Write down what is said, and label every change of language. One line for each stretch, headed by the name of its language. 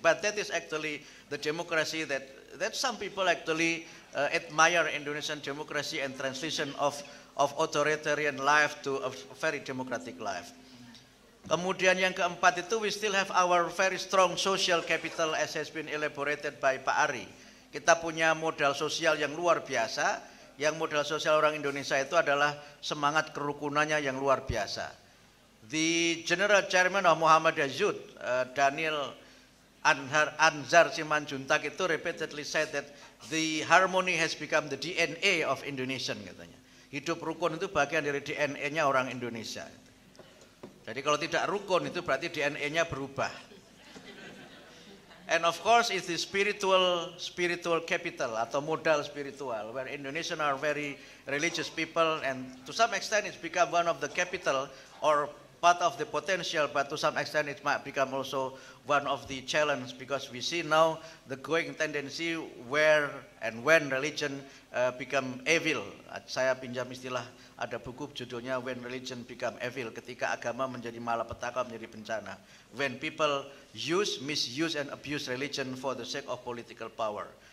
English: But that is actually the democracy that some people actually admire Indonesian democracy and transition of authoritarian life to a very democratic life.
Indonesian: Kemudian yang keempat itu
English: we still have our very strong social capital as has been elaborated by Pak Ari.
Indonesian: Kita punya modal sosial yang luar biasa, yang modal sosial orang Indonesia itu adalah semangat kerukunannya yang luar biasa.
English: The General Chairman of Muhammadiyah Youth, Daniel Anzar Simanjuntak itu repeatedly said that the harmony has become the DNA of Indonesian katanya.
Indonesian: Hidup rukun itu bagian dari DNA-nya orang Indonesia. Jadi kalau tidak rukun itu berarti DNA-nya berubah.
English: And of course it's the spiritual capital
Indonesian: atau modal spiritual
English: where Indonesians are very religious people and to some extent it's become one of the capital or part of the potential, but to some extent it might become also one of the challenge because we see now the growing tendency where and when religion become evil.
Indonesian: Saya pinjam istilah, ada buku judulnya When Religion Become Evil, ketika agama menjadi malapetaka, menjadi bencana.
English: When people use, misuse and abuse religion for the sake of political power.